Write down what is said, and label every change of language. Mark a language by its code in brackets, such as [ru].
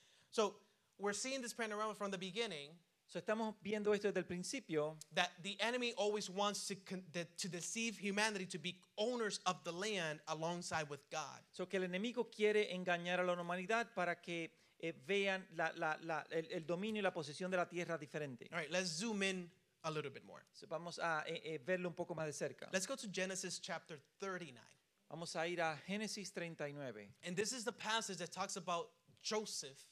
[en] So, we're seeing this panorama from the beginning. [es] So, estamos viendo esto desde el principio. [en] That the enemy always wants to deceive humanity to be owners of the land alongside with God. [es] So, que el enemigo quiere engañar a la humanidad para que vean el dominio y la posesión de la tierra diferente. [en] All right, let's zoom in a little bit more. [es] So vamos a verlo un poco más de cerca. [en] Let's go to Genesis chapter 39. [es] Vamos a ir a Génesis 39. [en] And this is the passage that talks about Joseph.